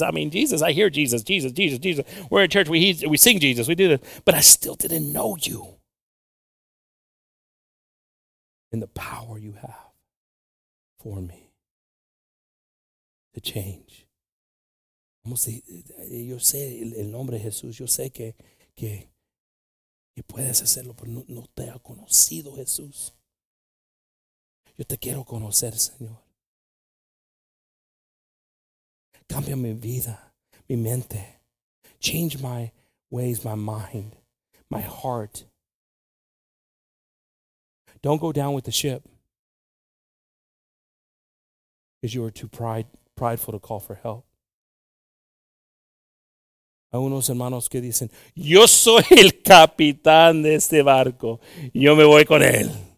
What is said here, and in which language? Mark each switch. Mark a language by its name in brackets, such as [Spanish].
[English] I mean, Jesus, I hear Jesus, Jesus, Jesus, Jesus. We're in church, we sing Jesus, we do this. But I still didn't know you. And the power you have for me to change. [Spanish] Yo sé el nombre de Jesús. Yo sé que puedes hacerlo, pero no te ha conocido, Jesús. Yo te quiero conocer, Señor. Cambia mi vida, mi mente. [English] Change my ways, my mind, my heart. Don't go down with the ship because you are too prideful to call for help. [Spanish] a unos hermanos que dicen, yo soy el capitán de este barco, yo me voy con él.